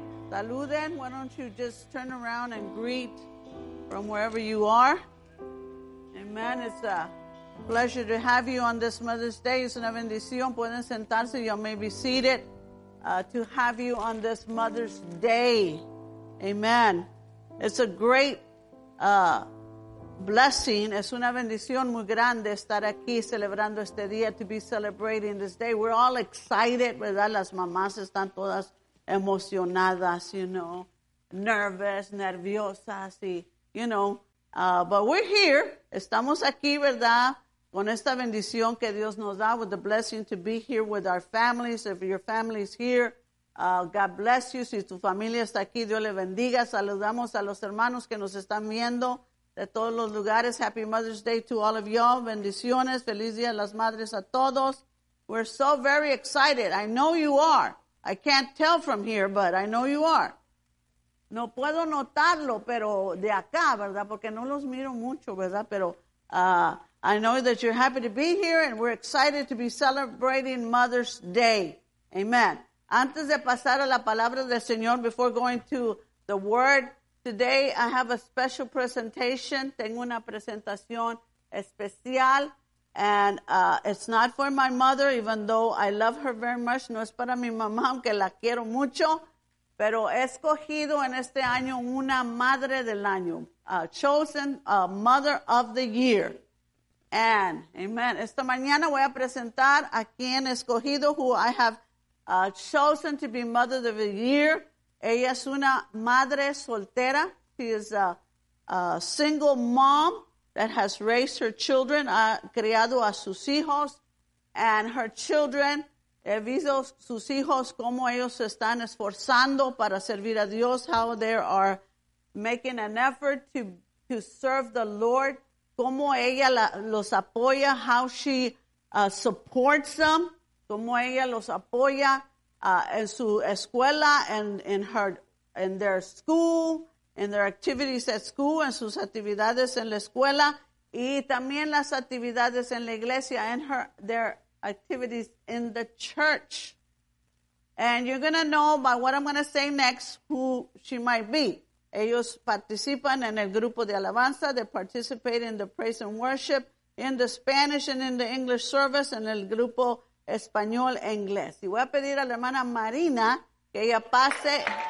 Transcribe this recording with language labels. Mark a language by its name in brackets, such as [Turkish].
[Spanish] Saluden, [English] why don't you just turn around and greet from wherever you are. Amen. It's a pleasure to have you on this Mother's Day. [Spanish] Es una bendición. Pueden sentarse. [English] You may be seated to have you on this Mother's Day. Amen. It's a great blessing. [Spanish] Es una bendición muy grande estar aquí celebrando este día, [English] to be celebrating this day. We're all excited, [Spanish] ¿verdad? Las mamás están todas emocionadas, [English] you know, [Spanish] nerviosas, y, [English] you know, but we're here, [Spanish] estamos aquí, ¿verdad?, con esta bendición que Dios nos da, [English] with the blessing to be here with our families. If your family's here, God bless you. [Spanish] Si tu familia está aquí, Dios le bendiga. Saludamos a los hermanos que nos están viendo de todos los lugares. [English] Happy Mother's Day to all of y'all. [Spanish] Bendiciones. Feliz Día de las Madres a todos. [English] We're so very excited. I know you are. I can't tell from here, but I know you are. [Spanish] No puedo notarlo, pero de acá, ¿verdad? Porque no los miro mucho, ¿verdad? Pero [English] I know that you're happy to be here, and we're excited to be celebrating Mother's Day. Amen. [Spanish] Antes de pasar a la palabra del Señor, [English] before going to the Word, today I have a special presentation. [Spanish] Tengo una presentación especial. [English] And it's not for my mother, even though I love her very much. [Spanish] No es para mi mamá, aunque la quiero mucho. Pero he escogido en este año una madre del año. [English] Chosen a mother of the year. And, amen. [Spanish] Esta mañana voy a presentar a quien he escogido, [English] who I have chosen to be mother of the year. [Spanish] Ella es una madre soltera. [English] She is a single mom that has raised her children, [Spanish] criado a sus hijos, [English] and her children, [Spanish] he visto sus hijos, como ellos están esforzando para servir a Dios, [English] how they are making an effort to serve the Lord, [Spanish] como ella los apoya, [English] how she supports them, como ella los apoya [Spanish] en su escuela, [English] and in their school, in their activities at school, [Spanish] en sus actividades en la escuela, y también las actividades en la iglesia, [English] and their activities in the church. And you're going to know by what I'm going to say next who she might be. [Spanish] Ellos participan en el grupo de alabanza. [English] They participate in the praise and worship, in the Spanish and in the English service, [Spanish] en el grupo español e inglés. Y voy a pedir a la hermana Marina que ella pase.